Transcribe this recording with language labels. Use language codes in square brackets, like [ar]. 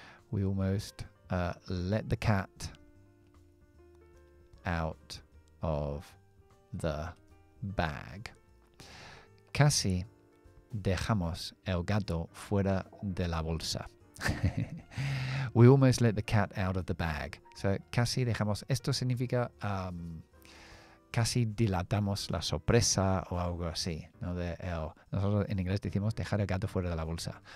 [en] We almost let the cat out of the bag. [es] Casi dejamos el gato fuera de la bolsa. [en] We almost let the cat out of the bag. [es] So, casi dejamos. Esto significa casi dilatamos la sorpresa o algo así. ¿No? De el, nosotros en inglés decimos dejar el gato fuera de la bolsa.